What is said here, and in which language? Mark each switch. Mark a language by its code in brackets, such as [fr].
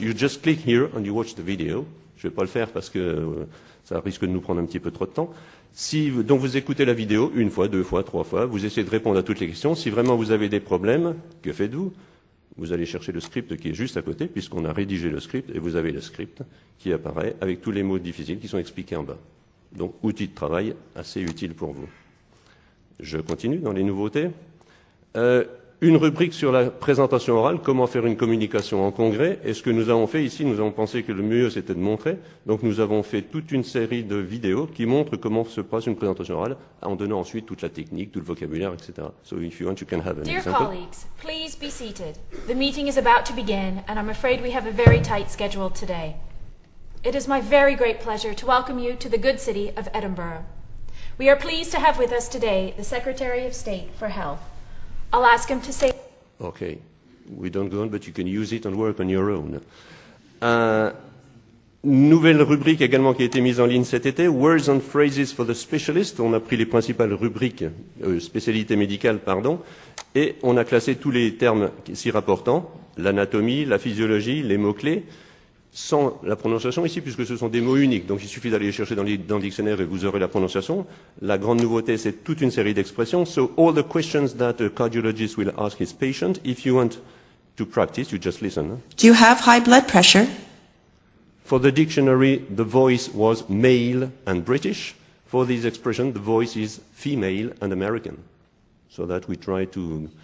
[en] You just click here and you watch the video. [fr] Je ne vais pas le faire parce que ça risque de nous prendre un petit peu trop de temps. Si donc vous écoutez la vidéo une fois, deux fois, trois fois, vous essayez de répondre à toutes les questions. Si vraiment vous avez des problèmes, que faites-vous? Vous allez chercher le script qui est juste à côté, puisqu'on a rédigé le script, et vous avez le script qui apparaît avec tous les mots difficiles qui sont expliqués en bas. Donc, outil de travail assez utile pour vous. Je continue dans les nouveautés. Une rubrique sur la présentation orale, comment faire une communication en congrès. Et ce que nous avons fait ici, nous avons pensé que le mieux c'était de montrer. Donc nous avons fait toute une série de vidéos qui montrent comment se passe une présentation orale, en donnant ensuite toute la technique, tout le vocabulaire, etc. [en] So if you want, you can have an example. Dear colleagues, please be seated. The meeting is about to begin, and I'm afraid we have a very tight schedule today. It is my very great pleasure to welcome you to the good city of Edinburgh. We are pleased to have with us today the Secretary of State for Health. I'll ask him to say... Okay, we don't go on, but you can use it and work on your own. [fr] Nouvelle rubrique également qui a été mise en ligne cet été, Words and Phrases for the Specialist. On a pris les principales rubriques, spécialités médicales, pardon, et on a classé tous les termes s'y rapportant, l'anatomie, la physiologie, les mots-clés, sans la prononciation ici, puisque ce sont des mots uniques, donc il suffit d'aller les chercher dans le dictionnaire et vous aurez la prononciation. La grande nouveauté, c'est toute une série d'expressions. [en] So all the questions that a cardiologist will ask his patient, if you want to practice, you just listen. Do you have high blood pressure? For the dictionary, the voice was male and British. For this expression, the voice is female and American. So that we try to...